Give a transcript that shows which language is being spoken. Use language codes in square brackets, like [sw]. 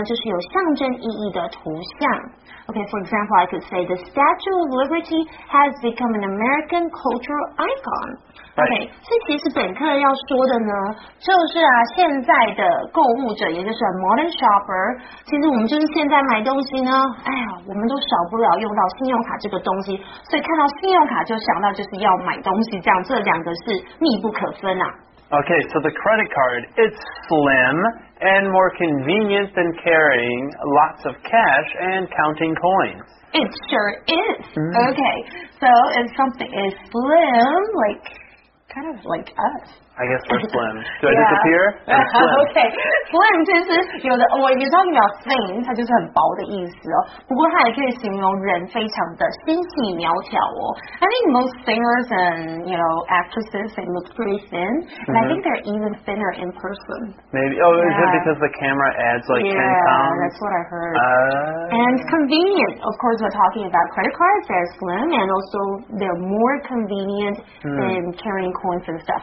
[zh] 就是有象征意义的图像。 [en] OK, for example, I could say the Statue of Liberty has become an American cultural icon. [zh] OK, 这其实本课要说的呢，就是啊，现在的购物者，也就是 [en] modern shopper, [zh] 其实我们就是现在买东西呢，哎呀，我们都少不了用到信用卡这个东西，所以看到信用卡就想到就是要买东西，这样这两个是密不可分啊。 [en] OK, so the credit card, it's slim and more convenient than carrying lots of cash and counting coins. It sure is. Mm-hmm. OK, so if something is slim, like, kind of like us. I guess we're slim. Do I disappear? [zh] OK, slim 其实有的 [en] you're talking about thin, [zh] 它就是很薄的意思哦。不过它也可以形容人非常的纤细苗条哦。 [en] I think most singers and, you know, actresses, they look pretty thin. And I think they're even thinner in person. Maybe. Oh, is it because the camera adds like 10 pounds? Yeah, that's what I heard. And convenient, of course, we're talking about credit cards. They're slim and also they're more convenient than carrying coins and stuff.